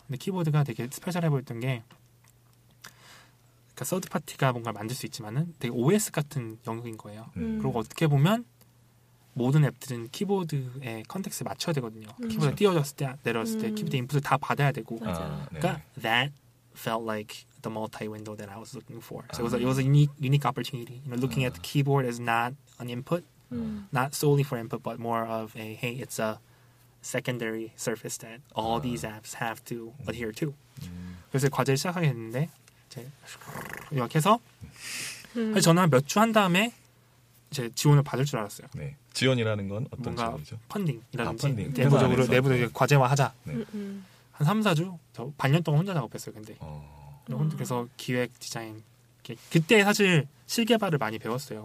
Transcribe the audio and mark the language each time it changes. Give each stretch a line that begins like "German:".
Korean: 근데 키보드가 되게 스페셜해 보였던 게 그러니까 서드 파티가 뭔가 만들 수 있지만은 되게 OS 같은 영역인 거예요. 그리고 어떻게 보면 모든 앱들은 키보드의 컨텍스트에 맞춰야 되거든요. 키보드 띄워졌을 때 내려왔을 때 키보드 인풋을 다 받아야 되고. 맞아. 그러니까
English: that felt like the multi-window that I was looking for. So it was a unique opportunity. You know, looking at the keyboard is not an input, not solely for input, but more of a hey, it's a secondary surface that all these apps have to adhere to.
Korean: 그래서 과제를 시작하게 됐는데 이제 이렇게 해서 사실 저는 몇 주 한 다음에 이제 지원을 받을 줄 알았어요. 네, 지원이라는 건 어떤 지원이죠? 펀딩이라든지 내부적으로 내부적으로 과제화하자. 네. 한 3, 4주? 저 반년 동안 혼자 작업했어요. 근데 그래서 기획, 디자인 그때 사실 실개발을 많이 배웠어요.